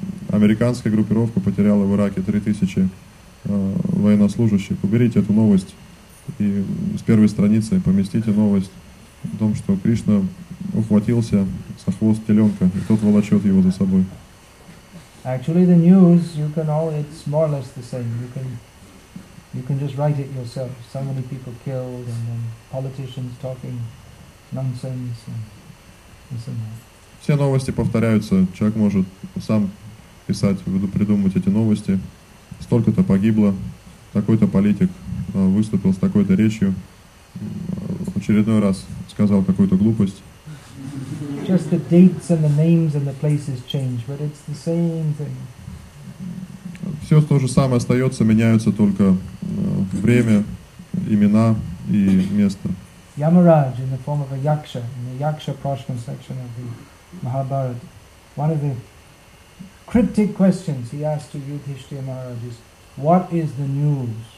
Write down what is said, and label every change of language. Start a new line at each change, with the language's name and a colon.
Russian: Американская группировка потеряла в Ираке 3,000 военнослужащих. Уберите эту новость и с первой страницы поместите новость о том, что Кришна ухватился за хвост теленка, и тот волочет его за собой.
English: Actually, the news, you can all, it's more or less the same. You can just write it yourself. So many people killed, and then politicians talking nonsense, and this and that.
Russian: Все новости повторяются. Человек может сам писать, придумывать эти новости. Столько-то погибло, такой-то политик выступил с такой-то речью, в очередной раз сказал какую-то глупость.
English: Just the dates and the names and the places change, but it's the same thing.
Russian: Все то же самое остается, меняются только время, имена и место.
English: Yamaraj in the form of a yaksha, in the yaksha prashna section of the Mahabharata. One of the cryptic questions he asked to Yudhishthira Maharaj is, what is the news?